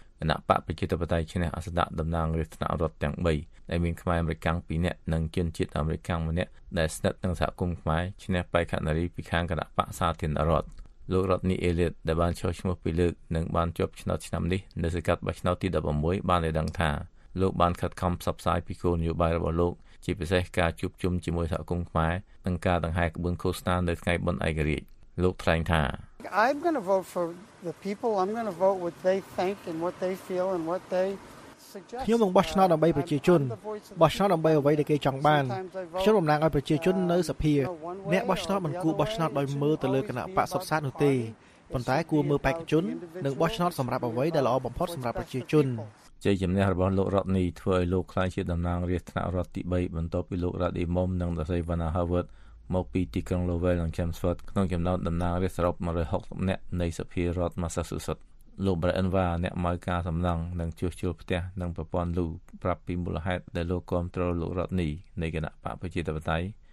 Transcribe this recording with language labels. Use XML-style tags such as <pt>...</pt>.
<km>គណៈបកប្រជាធិបតេយ្យឈ្នះអាសនៈតំណាងរាស្ត្រថ្នាក់រដ្ឋទាំង3ដែលមានខ្មែរអមេរិកាំង2នាក់និងជនជាតិអមេរិកាំង1នាក់ដែលស្និទ្ធនឹងសហគមន៍ខ្មែរឈ្នះបេក្ខនារីពីខាងគណៈបកសាធារណរដ្ឋលោករ៉ូនីអេលៀតដែលបានចូលឈ្មោះពីលើកនិងបានជាប់ឆ្នោតឆ្នាំនេះនៅសង្កាត់បោះឆ្នោតទី16បានលើកឡើងថា លោកបានខិតខំផ្សព្វផ្សាយពីគោលនយោបាយរបស់លោកជាពិសេសការជួបជុំជាមួយសហគមន៍ខ្មែរនិងការដង្ហែក្បួនឃោសនានៅថ្ងៃបុណ្យឯករាជ្យលោកថ្លែងថា</km> <en>I'm going to vote for the people. I'm going to vote what they think and what they feel and what they suggest.</en> <km>ខ្ញុំនឹងបោះឆ្នោតដើម្បីប្រជាជនបោះឆ្នោតដើម្បីអ្វីដែលគេចង់បានខ្ញុំរំលងឲ្យប្រជាជននៅសភាអ្នកបោះឆ្នោតមិនគួរបោះឆ្នោតដោយមើលទៅលើគណៈបកសព្វសាស្ត្រនោះទេប៉ុន្តែគួរមើលបេក្ខជននិងបោះឆ្នោតសម្រាប់អ្វីដែលល្អបំផុតសម្រាប់ប្រជាជន ជ័យជំនះរបស់លោករ៉តនីធ្វើឲ្យលោកខ្លាចជាតំណាងរាស្ត្រថ្នាក់រដ្ឋទី3បន្ទាប់ពីលោករ៉ាឌីមុំនិងដសៃវណ្ណាហាវើតមកពីទីក្រុងលូវែលនៅខេមស្វតក្នុងចំណោមតំណាងរាស្ត្រសរុប160នាក់នៃសភារដ្ឋម៉ាសាស៊ូសិតលោកប្រេអិនវ៉ាអ្នកម៉ៅការសំណង់និងជួសជុលផ្ទះនិងប្រព័ន្ធលូប្រាប់ពីមូលហេតុដែលលោកគ្រប់គ្រងលោករ៉តនីនៃគណៈបកប្រជាធិបតេយ្យ</km>